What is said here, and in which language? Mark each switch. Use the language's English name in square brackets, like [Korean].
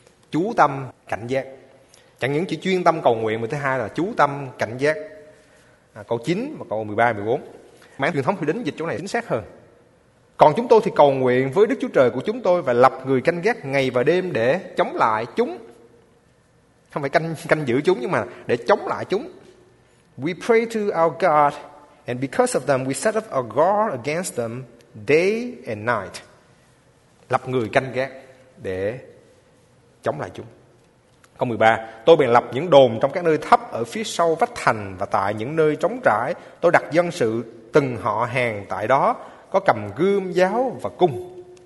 [Vietnamese] Chú tâm cảnh giác. Chẳng những chỉ chuyên tâm cầu nguyện, mà thứ hai là chú tâm cảnh giác. Câu 9 và câu 13, 14. Mảng truyền thống thì đến dịch chỗ này chính xác hơn. Còn chúng tôi thì cầu nguyện với Đức Chúa Trời của chúng tôi và lập người canh gác ngày và đêm để chống lại chúng. Không phải canh giữ chúng, nhưng mà để chống lại chúng. [English] We pray to our God, and because of them we set up a guard against them day and night. [Vietnamese] Lập người canh gác để chống lại chúng. Câu 13. Tôi bèn lập những đồn trong các nơi thấp ở phía sau vách thành và tại những nơi trống trải. Tôi đặt dân sự từng họ hàng tại đó có cầm gươm, giáo và cung.